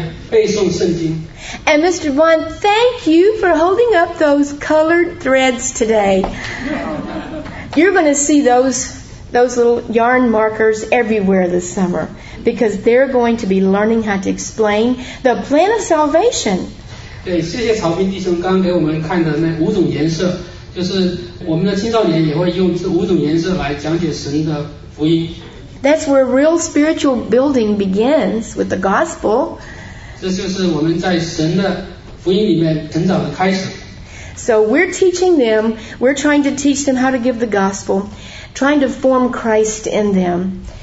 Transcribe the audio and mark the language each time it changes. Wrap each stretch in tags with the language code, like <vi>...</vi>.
<en>And Mr. Vaughn, thank you for holding up those colored threads today. You're going to see those little yarn markers everywhere this summer, because they're going to be learning how to explain the plan of salvation.</en> <zh>对，谢谢曹斌弟兄刚给我们看的那五种颜色，就是我们的青少年也会用这五种颜色来讲解神的福音。</zh> <en>That's where real spiritual building begins, with the gospel.</en> <zh>这就是我们在神的福音里面成长的开始。</zh> <en>So we're teaching them, we're trying to teach them how to give the gospel, trying to form Christ in them.</en>